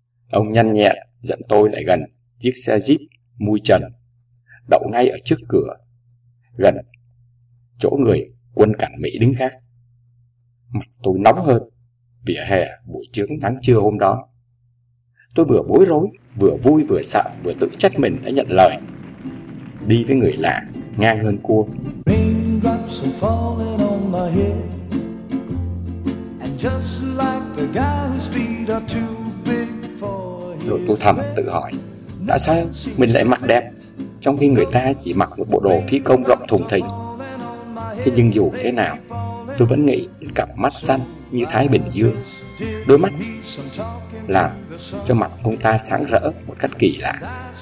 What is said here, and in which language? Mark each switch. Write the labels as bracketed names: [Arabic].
[Vietnamese] Ông nhanh nhẹn dẫn tôi lại gần chiếc xe Jeep mui trần đậu ngay ở trước cửa, gần chỗ người quân cảnh Mỹ đứng gác. Mặt tôi nóng hơn vỉa hè buổi trướng nắng trưa hôm đó. Tôi vừa bối rối, vừa vui, vừa sợ, vừa tự trách mình đã nhận lời đi với người lạ ngang hơn cua. [English] Raindrops are falling on my head, and just like the guy whose feet are too big for him. [Vietnamese] Rồi tôi thầm tự hỏi, đã sao mình lại mặc đẹp trong khi người ta chỉ mặc một bộ đồ phi công rộng thùng thình. Thế nhưng dù thế nào, tôi vẫn nghĩ cặp mắt xanh như Thái Bình Dương, đôi mắt làm cho mặt ông ta sáng rỡ một cách kỳ lạ.